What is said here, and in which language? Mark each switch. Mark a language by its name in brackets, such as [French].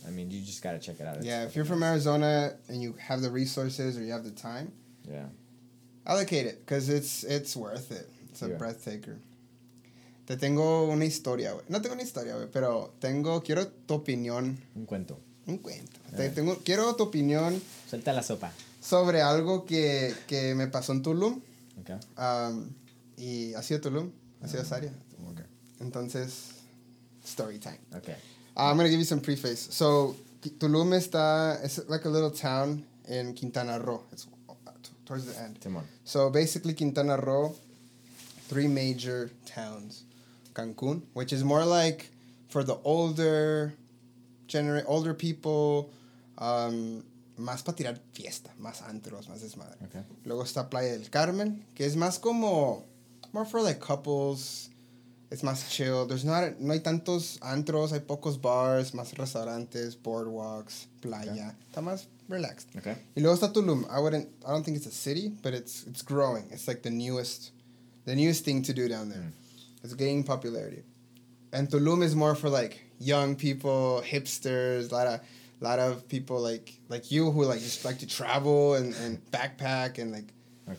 [English] I mean, you just gotta check it out. Yeah, if you're from Arizona and you have the resources or you have the time, allocate it, because it's worth it. It's a breathtaker. [Spanish] Te tengo una historia, güey. No tengo una historia, güey, pero quiero tu opinión. Un cuento. Quiero tu opinión. Suelta la sopa. Sobre algo que me pasó en Tulum. [English] Okay. [Spanish] Y ha sido Tulum. Ha sido Zaria. Okay. Entonces, [English] story time. Okay. I'm going to give you some preface. So, Tulum is like a little town in Quintana Roo. It's towards the end. Timon. So, basically, Quintana Roo, three major towns. Cancun, which is more like for the older people, [Spanish] más para tirar fiesta, más antros, más desmadre. [English] Okay. [Spanish] Luego está Playa del Carmen, que es más como, [English] more for like couples. [Spanish] It's más chill. No hay tantos antros, hay pocos bars, más restaurantes, boardwalks, playa. Okay. Está más relaxed. [English] Okay. [Spanish] Y luego está Tulum. [English] I don't think it's a city, but it's growing. It's like the newest thing to do down there. Mm. It's gaining popularity. And Tulum is more for like young people, hipsters, a lot of people like you who like just like to travel and backpack and like